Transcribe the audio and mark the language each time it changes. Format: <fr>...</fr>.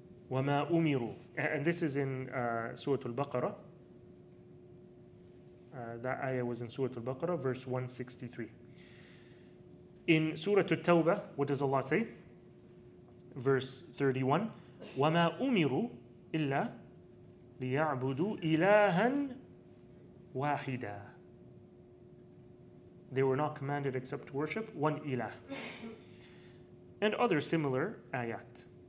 <en>Wama umiru. And this is in Surah Al-Baqarah. That ayah was in Surah Al-Baqarah, verse 163. In Surah At-Tawbah, what does Allah say? Verse 31,</en> <ar>وَمَا أُمِرُوا إِلَّا لِيَعْبُدُوا إِلَٰهًا وَاحِدًا.</ar> <en>They were not commanded except to worship one ilah. And other similar ayat.</en>